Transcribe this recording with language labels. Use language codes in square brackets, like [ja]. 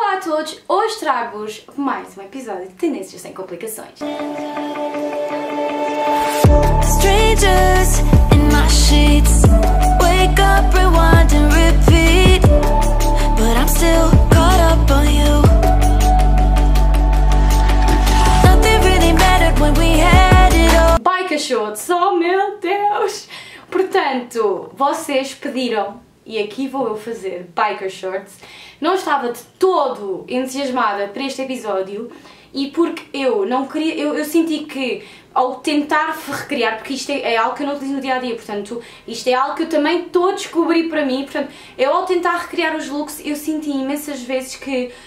[pt] todos, hoje trago-vos mais um episódio de Tendências Sem Complicações. [en] Strangers in my sheets, wake up, rewind and repeat, but I'm still caught up on you. Nothing really mattered when we had it all. [pt] Pai cachorro, só meu Deus! Portanto, vocês pediram, e aqui vou eu fazer biker shorts. Não estava de todo entusiasmada para este episódio e porque eu não queria, eu senti que ao tentar recriar, porque isto é algo que eu não utilizo no dia a dia, portanto, isto é algo que eu também estou a descobrir para mim, portanto, eu ao tentar recriar os looks, eu senti imensas vezes que